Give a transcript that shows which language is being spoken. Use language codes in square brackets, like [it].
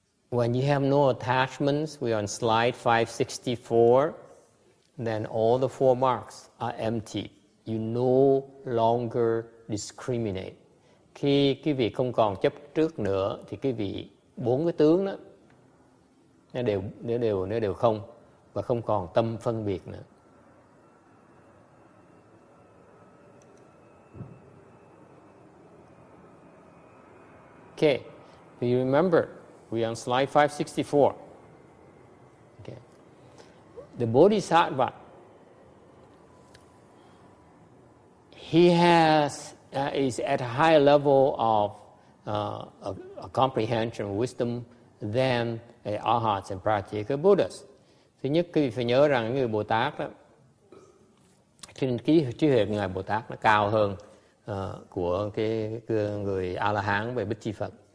[en] When you have no attachments, we are on slide 564, then all the four marks are empty. You no longer discriminate. [vi] Khi quý vị không còn chấp trước nữa, thì quý vị bốn cái tướng đó, nó đều không, và không còn tâm phân biệt nữa. [en] Okay, do you remember? We are on slide 564. Okay. The bodhisattva, he has is at a higher level of comprehension, wisdom than arhats and practical Buddhas. [vi] Thứ nhất, quý vị phải nhớ rằng người Bồ Tát đó, trí huệ của người Bồ Tát nó cao hơn của cái người A La Hán về Bích Chi Phật.